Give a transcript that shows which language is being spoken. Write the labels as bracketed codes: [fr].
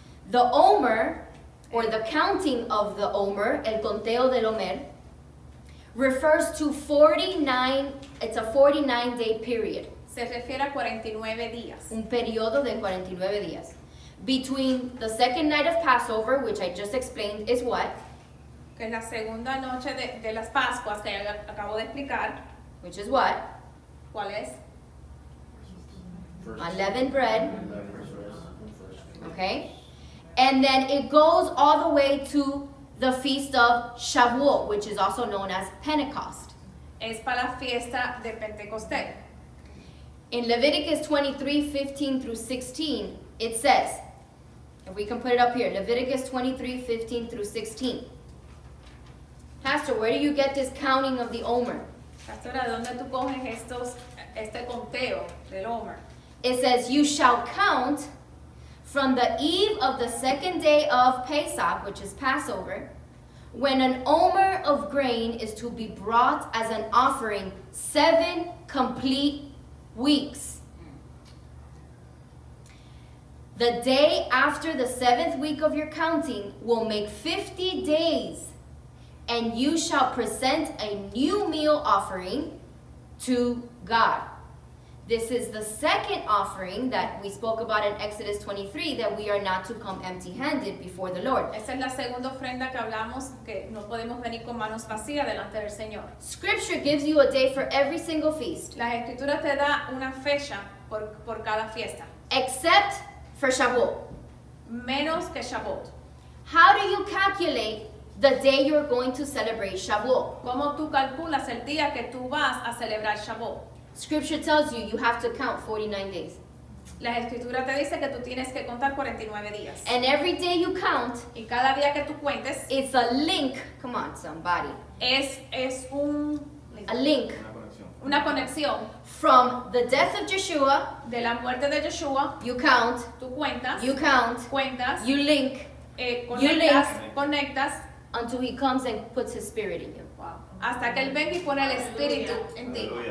[en] The Omer, or the counting of the Omer, [es] el conteo del Omer, [en] refers to 49, it's a 49-day period. [es] Se refiere a 49 días. Un periodo de 49 días. [en] Between the second night of Passover, which I just explained is what? [es] Que es la segunda noche de las Pascuas que acabo de explicar. [en] Which is what? [es] ¿Cuál es? [en] Unleavened bread. Okay. And then it goes all the way to the feast of Shavuot, which is also known as Pentecost. [es] Es para la fiesta de Pentecostés. [en] In Leviticus 23:15-16, it says, if we can put it up here, Leviticus 23:15-16. Pastor, where do you get this counting of the Omer? [es] Pastora, ¿dónde tú coges estos, este conteo del Omer? [en] It says, you shall count from the eve of the second day of Pesach, which is Passover, when an omer of grain is to be brought as an offering 7 complete weeks. The day after the 7th week of your counting will make 50 days, and you shall present a new meal offering to God. This is the second offering that we spoke about in Exodus 23, that we are not to come empty-handed before the Lord. [es] Esa es la segunda ofrenda que hablamos, que no podemos venir con manos vacías delante del Señor. [en] Scripture gives you a day for every single feast. [es] La Escritura te da una fecha por cada fiesta. [en] Except for Shavuot. [es] Menos que Shavuot. [en] How do you calculate the day you're going to celebrate Shavuot? [es] ¿Cómo tú calculas el día que tú vas a celebrar Shavuot? [en] Scripture tells you have to count 49 days. [es] La Escritura te dice que tú tienes que contar 49 días. [en] And every day you count, [es] y cada día que tú cuentes, [en] it's a link. Come on, somebody. [es] Es un [en] a link. [es] Una conexión. [en] From the death of Yeshua, [es] de la muerte de Yeshua, [en] you count. [es] Tú cuentas. [en] You count. [es] Cuentas. [en] You link. [es] Conectas, [en] you link. [es] Conectas. [en] Until he comes and puts his spirit in you. [es] Hasta que él venga y pone el espíritu en ti.